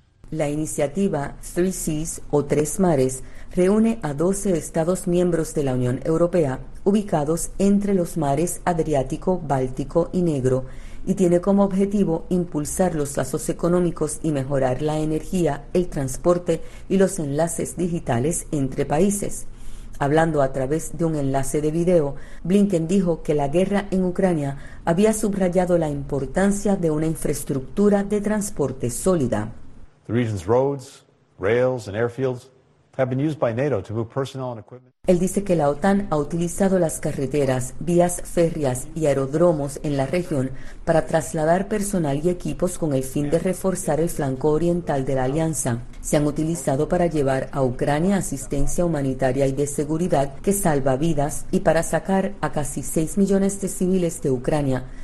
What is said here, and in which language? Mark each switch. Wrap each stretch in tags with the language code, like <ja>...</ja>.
<es>La iniciativa Three Seas o Tres Mares reúne a 12 Estados miembros de la Unión Europea ubicados entre los mares Adriático, Báltico y Negro, y tiene como objetivo impulsar los lazos económicos y mejorar la energía, el transporte y los enlaces digitales entre países. Hablando a través de un enlace de video, Blinken dijo que la guerra en Ucrania había subrayado la importancia de una infraestructura de transporte sólida.</es> <en>The region's roads, rails and airfields have been used by NATO to move personnel and equipment.</en> <es>Él dice que la OTAN ha utilizado las carreteras, vías férreas y aeródromos en la región para trasladar personal y equipos con el fin de reforzar el flanco oriental de la alianza. Se han utilizado para llevar a Ucrania asistencia humanitaria y de seguridad que salva vidas, y para sacar a casi 6 millones de civiles de Ucrania,</es>